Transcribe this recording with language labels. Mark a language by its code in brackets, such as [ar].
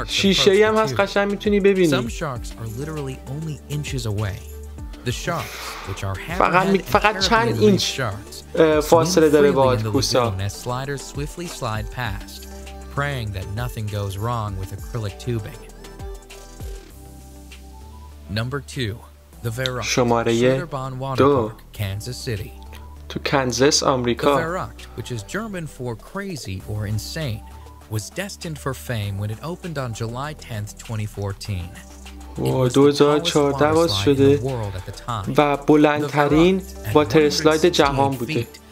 [fa] شیشه ای هم هست قشنگ میتونی ببینی. [en] Some sharks are literally only inches away. The sharks, which are [fa] فقط چند اینچ فاصله داره با کوسا. [en] Sliders swiftly slide past, praying that nothing goes wrong with acrylic tubing. Number 2. The Verrock. [fa] شماره 2. [en] Kansas City. [fa] تو کانزاس آمریکا. [en] The Verrock, which is German for crazy or insane, was destined for fame when it opened on July 10th, 2014. [fa] و 2014 باز شده و بلندترین واتر اسلاید جهان بوده.